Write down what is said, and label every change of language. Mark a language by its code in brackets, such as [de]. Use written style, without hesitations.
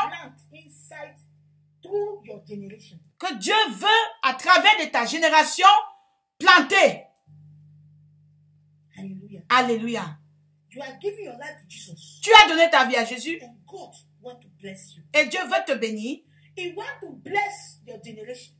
[en] Plant inside through your generation. [fr] Que Dieu veut à travers de ta génération planter. Alléluia. [en] You are giving your life to Jesus. [fr] Tu as donné ta vie à Jésus. [en] And God want to bless you. [fr] Et Dieu veut te bénir. [en] He want to bless your generation.